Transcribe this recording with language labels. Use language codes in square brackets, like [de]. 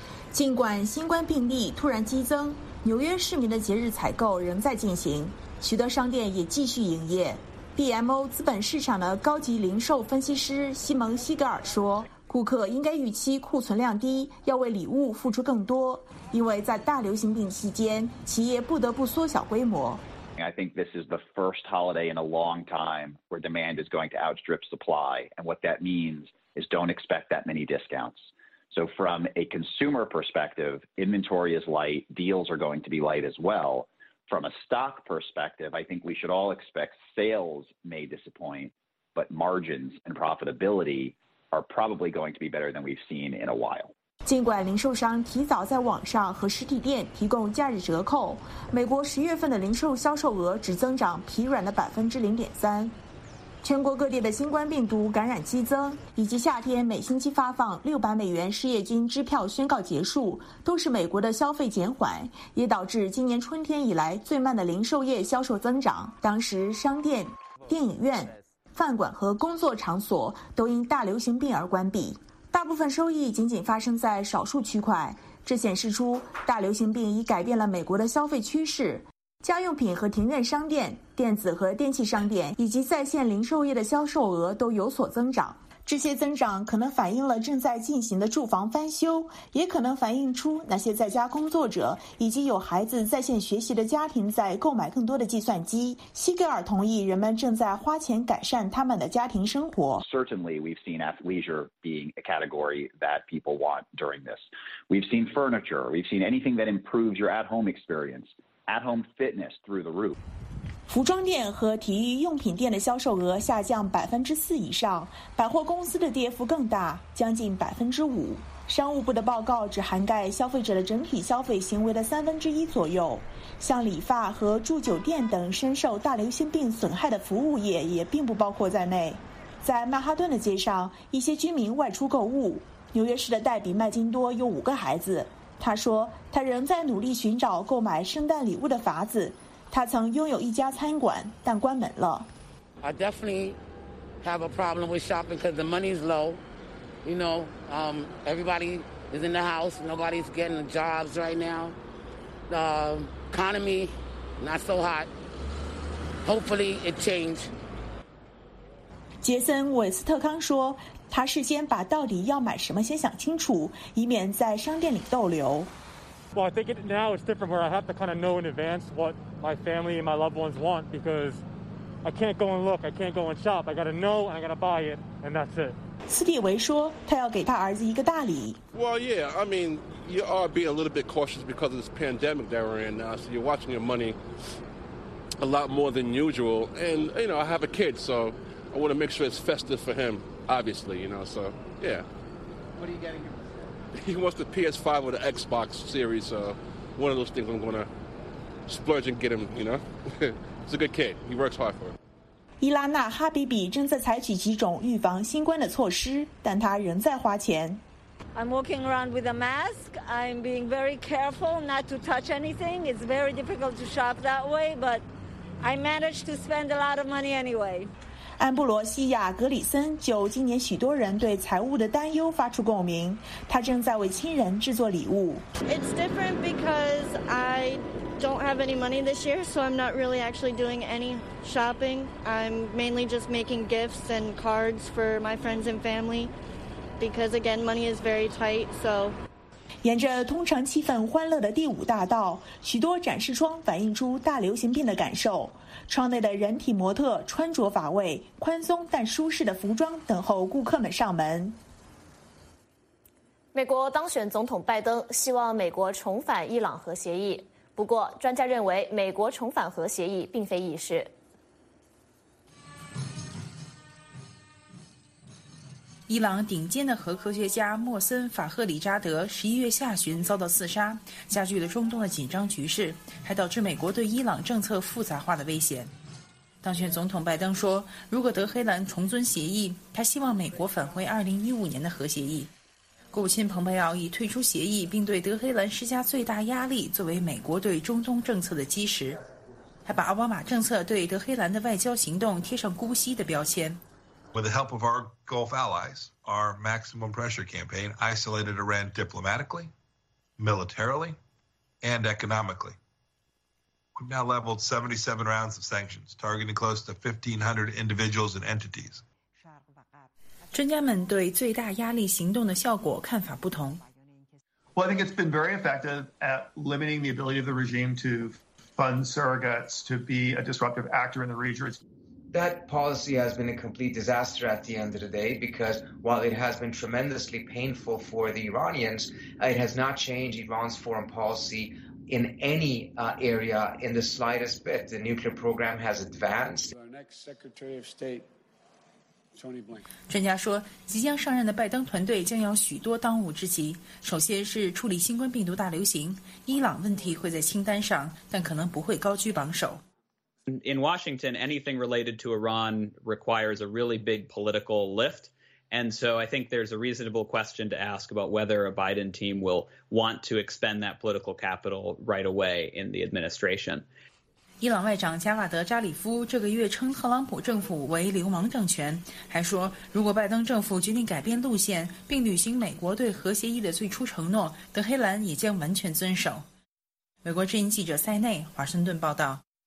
[zh] 尽管新冠病例突然激增，纽约市民的节日采购仍在进行，许多商店也继续营业。 BMO 资本市场的高级零售分析师西蒙·西格尔说，顾客应该预期库存量低，要为礼物付出更多，因为在大流行病期间，企业不得不缩小规模。 [en] I think this is the first holiday in a long time where demand is going to outstrip supply. And what that means is don't expect that many discounts. So from a consumer perspective, inventory is light, deals are going to be light as well. From a stock perspective, I think we should all expect sales may disappoint, but margins and profitability are probably going to be better than we've seen in a while. [zh] 尽管零售商提早在网上和实体店提供假日折扣，美国十月份的零售销售额只增长疲软的0.3%。全国各地的新冠病毒感染激增，以及夏天每星期发放$600失业金支票宣告结束，都是美国的消费减缓，也导致今年春天以来最慢的零售业销售增长。当时，商店、电影院、饭馆和工作场所都因大流行病而关闭。大部分收益仅仅发生在少数区块，这显示出大流行病已改变了美国的消费趋势。家用品和庭院商店、电子和电器商店以及在线零售业的销售额都有所增长。这些增长可能反映了正在进行的住房翻修，也可能反映出那些在家工作者以及有孩子在线学习的家庭在购买更多的计算机。西格尔同意，人们正在花钱改善他们的家庭生活。 [en] Certainly, we've seen athleisure being a category that people want during this. We've seen furniture. We've seen anything that improves your at-home experience. At-home fitness through the roof. [zh] 服装店和体育用品店的销售额下降4%以上，百货公司的跌幅更大，将近5%。商务部的报告只涵盖消费者的整体消费行为的1/3左右，像理发和住酒店等深受大流行病损害的服务业也并不包括在内。在曼哈顿的街上，一些居民外出购物。纽约市的黛比·麦金多有5个孩子，他说他仍在努力寻找购买圣诞礼物的法子。他曾拥有一家餐馆，但关门了。 [en] I definitely have a problem with shopping because the money's low. You know, everybody is in the house. Nobody's getting jobs right now. The economy not so hot. Hopefully it changes. [zh] 杰森·韦斯特康说，他事先把到底要买什么先想清楚，以免在商店里逗留。 [en] Well, I think it, now it's different where I have to kind of know in advance what my family and my loved ones want because I can't go and look, I can't go and shop. I got to know and I got to buy it, and that's it. [zh] 斯蒂维说，他要给他儿子一个大礼。 [en] Well, yeah, I mean, you are being a little bit cautious because of this pandemic that we're in now, so you're watching your money a lot more than usual. And, you know, I have a kid, so I want to make sure it's festive for him, obviously, you know, so, yeah. What are you getting him? He wants the PS5 or the Xbox Series, one of those things I'm going to splurge and get him, you know? He's a good kid. He works hard for it. [zh] 伊拉娜·哈比比正在采取几种预防新冠的措施，但她仍在花钱。 [en] I'm walking around with a mask. I'm being very careful not to touch anything. It's very difficult to shop that way, but I managed to spend a lot of money anyway. [zh] 安布罗西亚·格里森就今年许多人对财务的担忧发出共鸣，他正在为亲人制作礼物。 [en] It's different because I don't have any money this year, so I'm not really actually doing any shopping. I'm mainly just making gifts and cards for my friends and family, because again, money is very tight. So, [zh] 沿着通常气氛欢乐的第五大道，许多展示窗反映出大流行病的感受。窗内的人体模特穿着乏味，宽松但舒适的服装等候顾客们上门。美国当选总统拜登希望美国重返伊朗核协议，不过专家认为美国重返核协议并非易事。伊朗顶尖的核科学家莫森·法赫里扎德11月下旬遭到刺杀，加剧了中东的紧张局势，还导致美国对伊朗政策复杂化的危险。当选总统拜登说，如果德黑兰重遵协议，他希望美国返回2015年的核协议。国务卿蓬佩奥以退出协议并对德黑兰施加最大压力作为美国对中东政策的基石，还把奥巴马政策对德黑兰的外交行动贴上姑息的标签。 [en] With the help of our Gulf allies, our maximum pressure campaign isolated Iran diplomatically, militarily, and economically. We've now leveled 77 rounds of sanctions, targeting close to 1,500 individuals and entities. [zh] 专家们对最大压力行动的效果看法不同。 [en] Well, I think it's been very effective at limiting the ability of the regime to fund surrogates to be a disruptive actor in the region. That policy has been a complete disaster at the end of the day, because while it has been tremendously painful for the Iranians, it has not changed Iran's foreign policy in any area in the slightest bit. The nuclear program has advanced. Our next Secretary of State, Tony Blinken. [zh] 专家说，即将上任的拜登团队将有许多当务之急。首先是处理新冠病毒大流行，伊朗问题会在清单上，但可能不会高居榜首。 [en] In Washington, anything related to Iran requires a really big political lift. And so I think there's a reasonable question to ask about whether a Biden team will want to expend that political capital right away in the administration. [zh] 伊朗外长加瓦德·扎里夫这个月称特朗普政府为流氓政权，还说如果拜登政府决定改变路线并履行美国对核协议的最初承诺，德黑兰也将完全遵守。美国之音记者塞内，华盛顿报道。